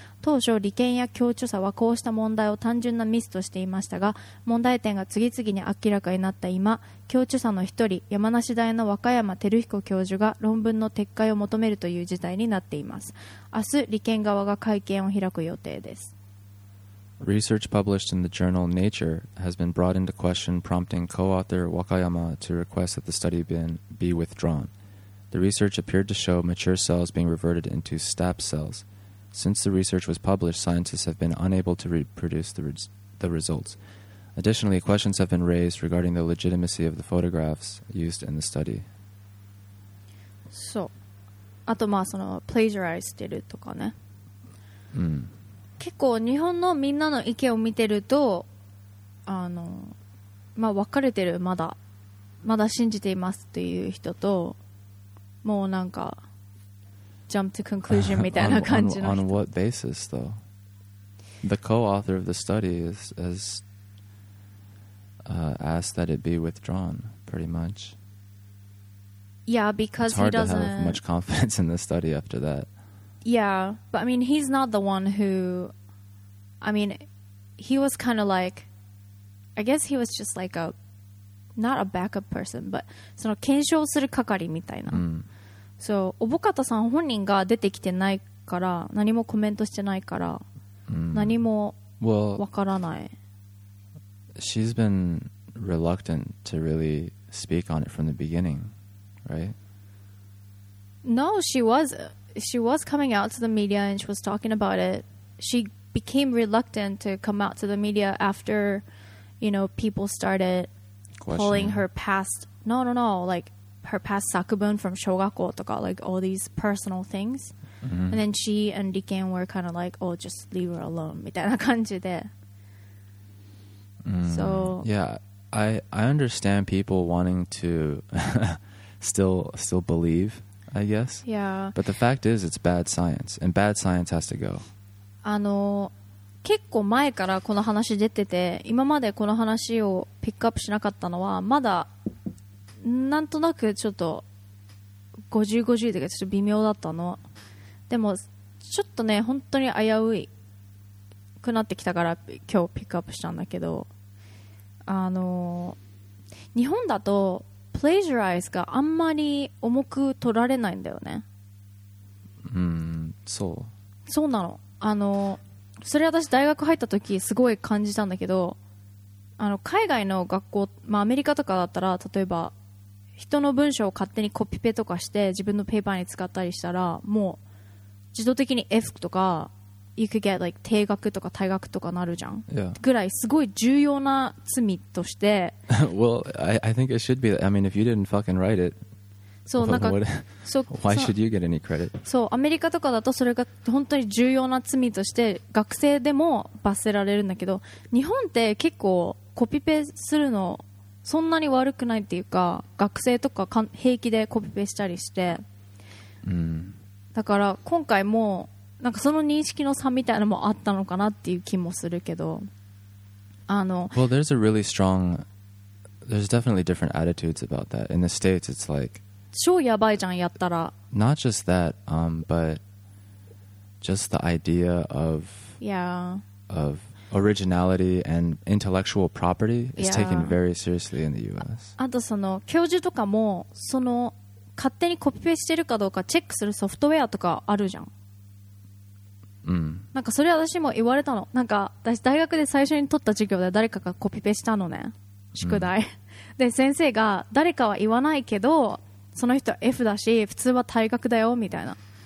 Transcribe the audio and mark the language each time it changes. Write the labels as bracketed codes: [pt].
[ja] 当初理研や共著者はこうした問題を単純なミスとしていましたが、問題点が次々に明らかになった今、共著者の一人、山梨大の若山照彦教授が論文の撤回を求めるという事態になっています。明日理研側が会見を開く予定です。 [en] Research published in the journal Nature has been brought into question, prompting co-author Wakayama to request that the study be withdrawn. The research appeared to show mature cells being reverted into stap cells. Since the research was published, scientists have been unable to reproduce the results. Additionally, questions have been raised regarding the legitimacy of the photographs used in the study. [ja] So,あとまあそのプレジャライズしてるとかね、結構日本のみんなの意見を見てると、あの、まあ、分かれてる。まだ信じていますっていう人と、もうなんか [en] ジャンプトゥコンクルージョン [ja] みたいな感じの [en] on what basis though? The co-author of the study has asked that it be withdrawn pretty much Yeah, because he doesn't... It's hard to have much confidence in the study after that. Yeah, but I mean, he's not the one who... I mean, he was kind of like... I guess he was just like a... Not a backup person, but... [ja] その検証する係みたいな。 [en] So, [ja] 小保方さん本人が出てきてないから、何もコメントしてないから、何もわからない。 [en] She's been reluctant to really speak on it from the beginning. Right? No, she was coming out to the media and she was talking about it. She became reluctant to come out to the media after, you know, people started pulling her past, no, like her past sakubun from shogakko to got like all these personal things. Mm-hmm. And then she and Riken were kind of like, oh, just leave her alone. [ja] みたいな感じで。 [en] So, yeah, I understand people wanting to... still believe, I guess. Yeah. But the fact is, it's bad science, and bad science has to go. [ja] あの、結構前からこの話出てて、今までこの話をピックアップしなかったのは、まだなんとなくちょっと50-50というかちょっと微妙だったの。でもちょっとね、本当に危ういくなってきたから今日ピックアップしたんだけど、あの、日本だとplagiarize があんまり重く取られないんだよね。そう。そうなの。あの、それ私大学入った時すごい感じたんだけど、あの海外の学校、まあ、アメリカとかだったら例えば人の文章を勝手にコピペとかして自分のペーパーに使ったりしたらもう自動的に F とか [en] You could get like [ja] 定額とか退学とかなるじゃん、 [en] yeah. [ja] ぐらいすごい重要な罪として。 [en] Well, I think it should be that. I mean, if you didn't fucking write it, [ja] そうなんか [en] Why should you get any credit? [ja] そうアメリカとかだとそれが本当に重要な罪として学生でも罰せられるんだけど、日本って結構コピペするのそんなに悪くないっていうか、学生とか平気でコピペしたりして、 mm. だから今回もなんかその認識の差みたいなのもあったのかなっていう気もするけど、あの [en] Well, there's a really strong There's definitely different attitudes about that. In the States, it's like [ja] 超やばいじゃんやったら。 [en] Not just that, but just the idea of Yeah ofOriginality and intellectual property is taken very seriously in the U.S. [ja] あとその教授とかもその勝手にコピペしてるかどうかチェックするソフトウェアとかあるじゃん。うん。なんかそれ私も言われたの。なんか私大学で最初に取った授業で誰かがコピペしたのね。宿題。うん、で先生が誰かは言わないけどその人は F だし普通は退学だよみたいな。